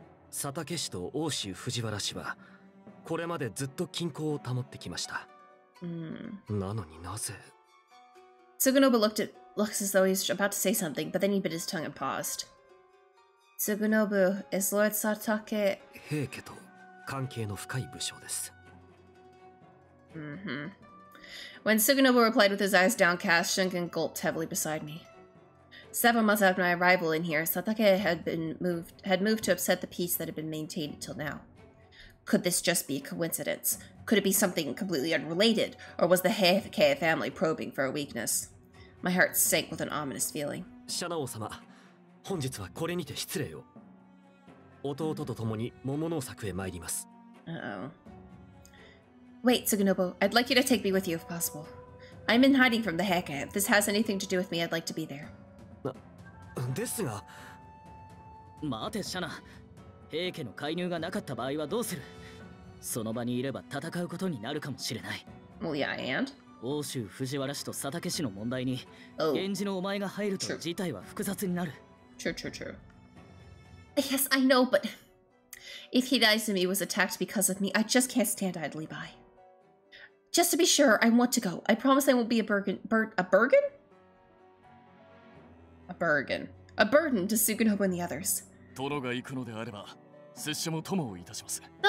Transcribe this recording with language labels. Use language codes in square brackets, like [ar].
[ja] 佐竹氏と大州藤原氏は、これまでずっと均衡を保ってきました。なのになぜ？ [en] Tsukunobu looked at... Looks as though he's about to say something, but then he bit his tongue and paused. Tsukunobu is Lord Satake. [ja] 平家と関係の深い武将です。 [en] Mm-hmm. When Tsukunobu replied with his eyes downcast, Shunken gulped heavily beside me. 7 months after my arrival in here, Satake had moved to upset the peace that had been maintained until now. Could this just be a coincidence? Could it be something completely unrelated, or was the Heike family probing for a weakness? My heart sank with an ominous feeling. [ja] Shanao sama, 本日はこれにて失礼を。弟と共に桃の作へ参ります。 [en] Uh-oh. Wait, Tsukunobu, I'd like you to take me with you if possible. I'm in hiding from the Heike. If this has anything to do with me, I'd like to be there. [ja] ですが。待て、シャナ。平家の介入がなかった場合はどうする？その場にいれば戦うことになるかもしれない。 [en] Well, yeah, and? [ja] 欧州藤原氏と佐竹氏の問題に、oh. 源氏のお前が入ると事態は複雑になる。 [en] True. Yes, I know, but if Hidaizumi was attacked because of me, I just can't stand idly by. Just to be sure, I want to go. I promise I won't be a burden to Tsukunobu and the others. [ja] 殿が行くのであれば、拙者も友をいたします。